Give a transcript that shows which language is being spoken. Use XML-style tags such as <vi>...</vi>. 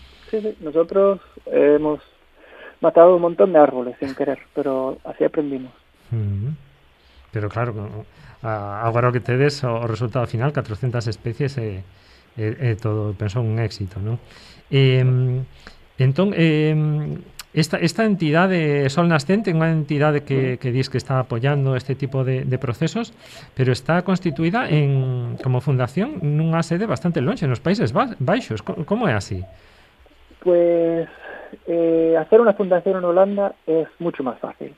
<es>Sí, nosotros hemos matado un montón de árboles sin querer, pero así aprendimos.</es> <gl>Pero claro, agora o que tedes o resultado final, 400 especies todo, penso, un éxito, ¿no? Esta entidade Sol Nascente, unha entidade que dís que está apoyando este tipo de procesos, pero está constituída en, como fundación, nunha sede bastante longe, nos Países Baixos. Como é así?</gl> <es>Pues hacer unha fundación en Holanda es mucho más fácil.</es>